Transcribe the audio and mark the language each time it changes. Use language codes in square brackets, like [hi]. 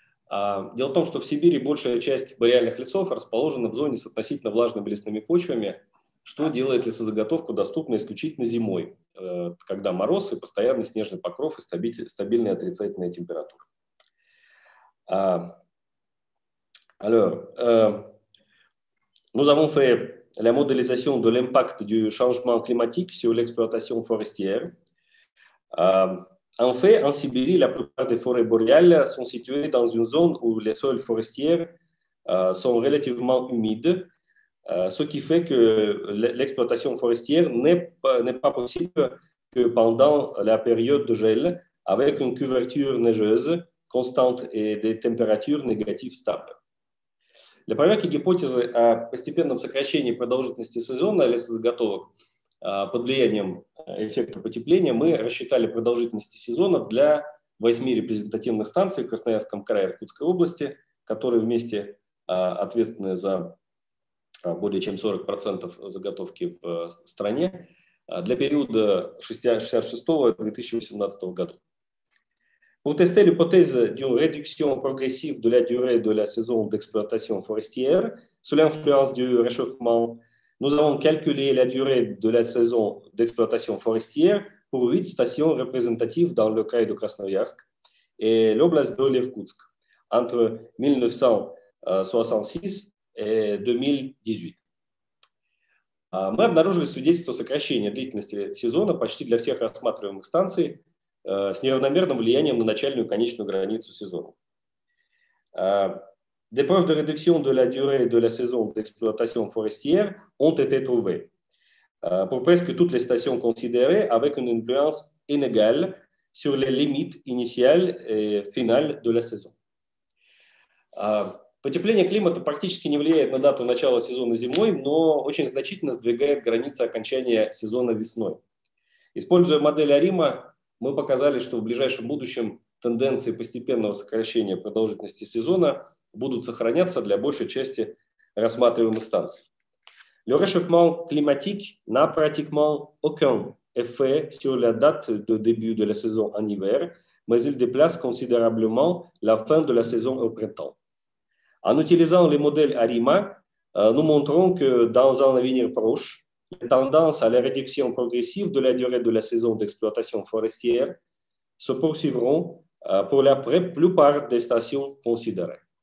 [ru] Дело в том, что в Сибири большая часть бариальных лесов расположена в зоне с относительно влажными лесными почвами, что делает лесозаготовку доступной исключительно зимой, когда мороз и постоянный снежный покров и стабильная отрицательная температура. Alors, [fr] Nous avons fait la modélisation de l'impact du changement climatique sur l'exploitation forestière. En fait, en Sibérie, la plupart des forêts boréales sont situées dans une zone où les sols forestiers sont relativement humides, ce qui fait que l'exploitation forestière n'est pas possible que pendant la période de gel, avec une couverture neigeuse constante et des températures négatives stables. [ru] Для проверки гипотезы о постепенном сокращении продолжительности сезона лесозаготовок под влиянием эффекта потепления мы рассчитали продолжительности сезонов для 8 репрезентативных станций в Красноярском крае Иркутской области, которые вместе ответственны за более чем 40% заготовки в стране для периода 1966-2018 года. [fr] Pour tester l'hypothèse d'une réduction progressive de la durée de la saison d'exploitation forestière sous l'influence du réchauffement, nous avons calculé la durée de la saison d'exploitation forestière pour 8 stations représentatives dans le Kraï de Krasnoyarsk et l'oblast de l'Irkoutsk entre 1966 et 2018. [ru] Мы обнаружили свидетельство сокращения длительности сезона почти для всех рассматриваемых станций с неравномерным влиянием на начальную и конечную границу сезона. [fr] Des preuves de réduction de la durée de la saison d'exploitation forestière ont été trouvées pour presque toutes les stations considérées avec une influence inégale sur les limites initiales et finales de la saison. [ru] Потепление климата практически не влияет на дату начала сезона зимой, но очень значительно сдвигает границы окончания сезона весной. Используя модель АРИМА, мы показали, что в ближайшем будущем тенденции постепенного сокращения продолжительности сезона будут сохраняться для большей части рассматриваемых станций. [fr] Le réchauffement climatique n'a pratiquement aucun effet sur la date de début de la saison en hiver, mais il déplace considérablement la fin de la saison au printemps. En utilisant les modèles ARIMA, nous montrons que dans un avenir proche, la tendance à la réduction progressive de la durée de la saison d'exploitation forestière se poursuivront pour la plupart des stations considérées.